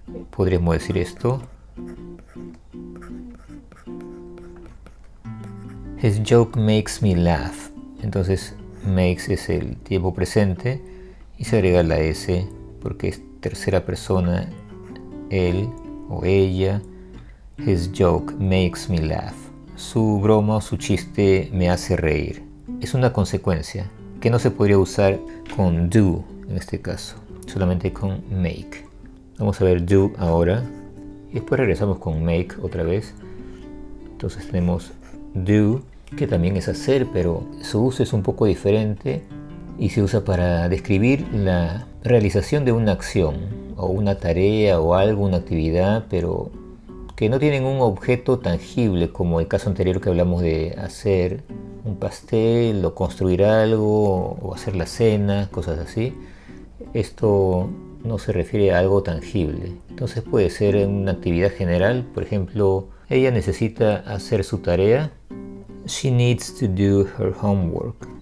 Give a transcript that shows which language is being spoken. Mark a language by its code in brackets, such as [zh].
[es] Podríamos decir esto. [en] His joke makes me laugh. [es] Entonces makes es el tiempo presente y se agrega la S porque es tercera persona. Él o ella, [en] his joke makes me laugh. [es] Su broma o su chiste me hace reír. Es una consecuencia que no se podría usar con do en este caso, solamente con make. Vamos a ver do ahora y después regresamos con make otra vez. Entonces tenemos do, que también es hacer, pero su uso es un poco diferente y se usa para describir la realización de una acción o una tarea o algo, una actividad, pero que no tienen un objeto tangible, como el caso anterior que hablamos de hacer un pastel o construir algo o hacer la cena, cosas así. Esto no se refiere a algo tangible. Entonces puede ser una actividad general, por ejemplo, ella necesita hacer su tarea. [en] She needs to do her homework.